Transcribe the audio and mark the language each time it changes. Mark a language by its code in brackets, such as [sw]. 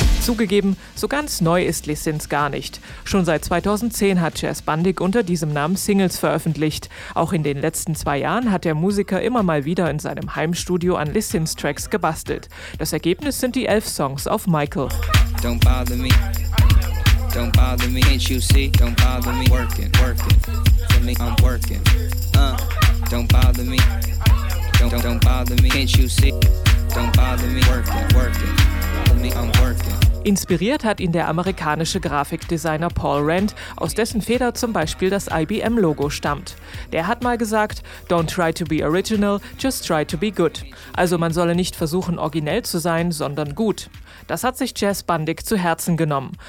[de] Zugegeben, so ganz neu ist Les Sins gar nicht. Schon seit 2010 hat Chaz Bandic unter diesem Namen Singles veröffentlicht. Auch in den letzten zwei Jahren hat der Musiker immer mal wieder in seinem Heimstudio an Les Sins Tracks gebastelt. Das Ergebnis sind die 11 Songs auf Michael. [en] Don't bother me, don't bother me, can't you see? Don't bother me, working, working, for me, I'm working. Don't bother me, don't bother me, can't you see? Don't bother me, working, working, for me, I'm working. [de] Inspiriert hat ihn der amerikanische Grafikdesigner Paul Rand, aus dessen Feder zum Beispiel das IBM-Logo stammt. Der hat mal gesagt, [en] don't try to be original, just try to be good. [de] Also man solle nicht versuchen, originell zu sein, sondern gut. Das hat sich Chaz Bandic zu Herzen genommen.